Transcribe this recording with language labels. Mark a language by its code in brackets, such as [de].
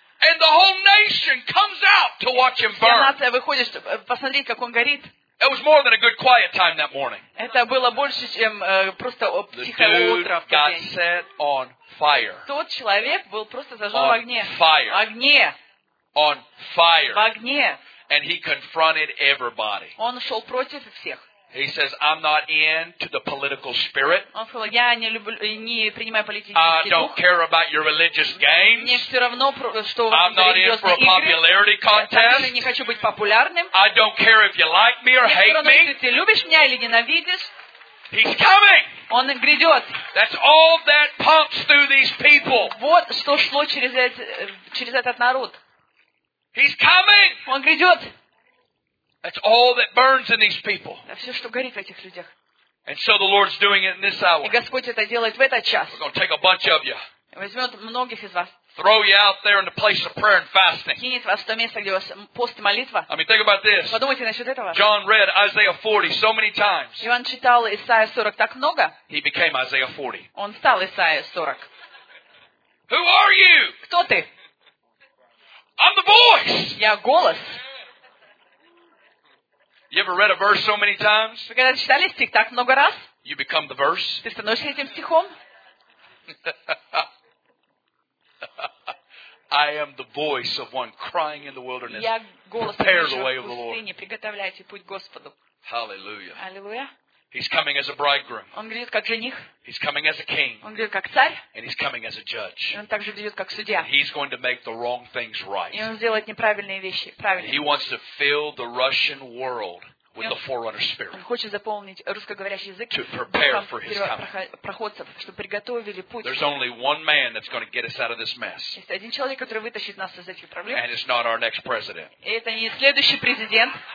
[en] And the whole nation comes out to watch him burn. [ru] Вся нация выходит, чтобы посмотреть, как он горит. [en] It was more than a good quiet time that morning. [ru] Это было больше, чем просто тихое утро в тот день. [en] Got set on fire. [ru] Тот человек был просто зажжен в огне. [en] On fire. [ru] Огне. [en] On fire. [ru] В огне. [en] And he confronted everybody. [ru] Он шел против всех. [en] He says, "I'm not into the political spirit." [ru] Он сказал, я не люблю, не принимаю политический дух. [en] I don't care about your religious games. [ru] Мне все равно, что вы играете в игры. [en] I'm not in for a popularity contest. [ru] Я не хочу быть популярным. [en] I don't care if you like me or hate me. [ru] Мне все равно, ты любишь меня или ненавидишь. [en] He's coming. [ru] Он грядет. [en] That's all that pumps through these people. [ru] Вот что шло через этот народ. [en] He's coming. [ru] Он грядет. [en] That's all that burns in these people. [ru] Все, что горит в этих людях. [en] And so the Lord's doing it in this hour. [ru] И Господь это делает в этот час. [en] We're going to take a bunch of you. [ru] Возьмет многих из вас. [en] Throw you out there in the place of prayer and fasting. [ru] Кинет вас в то место, где у вас пост и молитва. [en] I mean, think about this. [ru] Подумайте насчет этого. [en] John read Isaiah 40 so many times. [ru] Иоанн читал Исаия 40 так много. [en] He became Isaiah 40. [ru] Он стал Исаия 40. [en] Who are you? [ru] Кто ты? [en] I'm the voice. [ru] Я голос. [en] You ever read a verse so many times? [ru] Вы когда читали стих так много раз? [en] You become the verse. [ru] Ты становишься этим стихом? [en] I am the voice of one crying in the wilderness. [ru] Я голос кричащего в пустыне. Приготовляйте путь Господу. [en] Hallelujah. [ru] Аллилуйя. [en] He's coming as a bridegroom. [ru] Он грядет как жених. [en] He's coming as a king. [ru] Он грядет как царь. [en] And he's coming as a judge. [ru] И он также грядет как судья. [en] And he's going to make the wrong things right. [ru] И он сделает неправильные вещи правильно. [en] He wants to fill the Russian world with the forerunner spirit. [ru] Он хочет заполнить русскоговорящий язык. [en] To prepare for his coming. [ru] Проходцев, чтобы приготовили путь. [en] There's only one man that's going to get us out of this mess. [ru] Есть один человек, который вытащит нас из этих проблем. [en] And it's not our next president. [ru] И это не следующий президент.